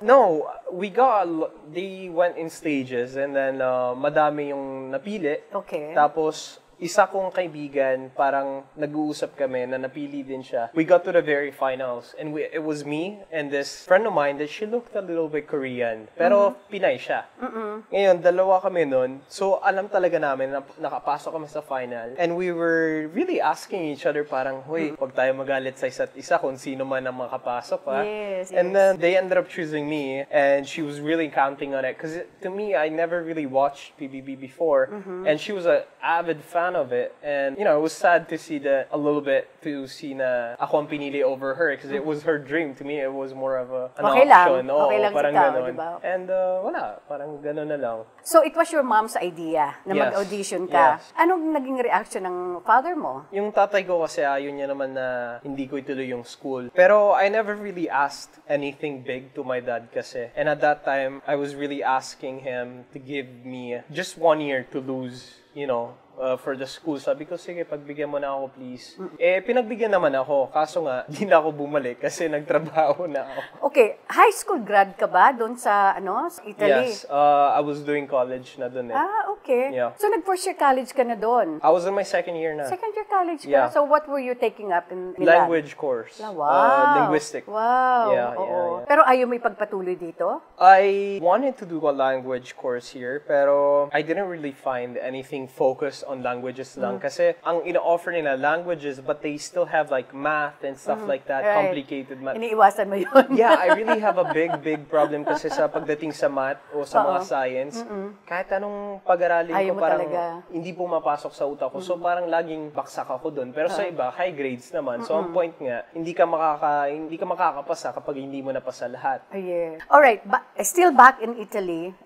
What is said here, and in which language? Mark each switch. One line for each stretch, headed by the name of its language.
English: No, we got, they went in stages and then
Filipino: madami yung napili.
English: Okay.
Filipino: Tapos, isa kong kaibigan, parang nag-uusap kami na napili din siya.
English: We got to the very finals and it was me and this friend of mine that she looked a little bit Korean.
Filipino: Pero mm-hmm. Pinay siya. Mm-hmm. Ngayon, dalawa kami nun. So, alam talaga namin na nakapasok kami sa final.
English: And we were really asking each other
Filipino: parang, huy,
English: mm-hmm.
Filipino: Huwag tayo magalit sa isa't isa kung sino man ang makapasok. Ha?
English: Yes, and yes. Then, they ended up choosing me and she was really counting on it. Because to me, I never really watched PBB before. Mm-hmm. And she was an avid fan of it, and you know, it was sad to see that a little bit to see
Filipino: na ako ang pinili
English: over her because it was her dream. To me, it was more of an okay option.
Filipino: Lang. Oh, okay lang parang si ganun. Tao, and wala, parang ganun na lang.
English: So it was your mom's idea na yes.
Filipino: Mag-audition ka.
English: Yes.
Filipino: Anong naging reaction ng father mo? Yung tatay ko kasi ayun niya naman na hindi ko ituloy yung school.
English: Pero I never really asked anything big to my dad kasi. And at that time, I was really asking him to give me just 1 year to lose, you know, for the school.
Filipino: Sabi ko, sige, pagbigyan mo na ako, please. Eh, pinagbigyan naman ako. Kaso nga, di na ako bumalik kasi nagtrabaho na ako. Okay, high school grad ka ba doon sa, ano, sa Italy?
English: Yes, I was doing college na doon eh. Ah, okay. Yeah.
Filipino: So, nag-first year college ka na doon?
English: I was in my second year na. Second year college ka? Yeah. So, what were you taking up in Milan? Language course. Wow. Linguistic. Wow. Yeah, yeah, yeah.
Filipino: Pero ayaw mo ipagpatuloy dito?
English: I wanted to do a language course here, pero I didn't really find anything focused on languages lang. Mm.
Filipino: Kasi ang ino-offer nila
English: languages but they still have like math and stuff like that. Right. Complicated math.
Filipino: Iniiwasan mo yun.
English: Yeah, I really have a big problem
Filipino: kasi sa pagdating sa math o sa mga science. Mm-mm. Kahit anong pag-aralin ayaw ko parang talaga. Hindi pumapasok sa utak ko. Mm-hmm. So parang laging baksak ako dun. Pero sa iba, high grades naman. Mm-hmm. So ang point nga, hindi ka makakapasa kapag hindi mo napasa lahat.
English: Oh, yeah. Alright, still back in Italy.